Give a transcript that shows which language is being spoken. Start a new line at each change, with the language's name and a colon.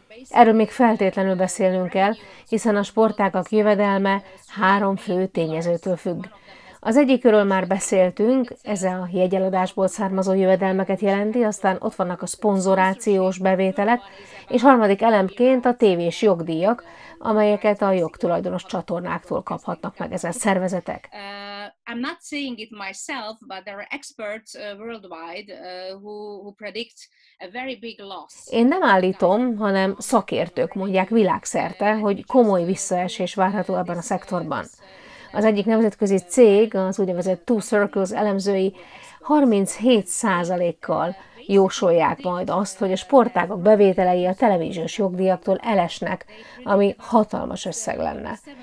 Hungarian: Erről még feltétlenül beszélnünk kell, hiszen a sportágak jövedelme három fő tényezőtől függ. Az egyikről már beszéltünk, ez a jegyeladásból származó jövedelmeket jelenti, aztán ott vannak a szponzorációs bevételek, és harmadik elemként a tévés jogdíjak, amelyeket a jogtulajdonos csatornáktól kaphatnak meg ezen szervezetek.
English: I'm not saying it myself, but there are experts worldwide who predict a very big loss.
Hungarian: Én nem állítom, hanem szakértők mondják világszerte, hogy komoly visszaesés várható ebben a szektorban. Az egyik nemzetközi cég, az úgynevezett Two Circles elemzői 37%-kal jósolják majd azt, hogy a sportágok bevételei a televíziós jogdíjaktól elesnek, ami hatalmas összeg lenne.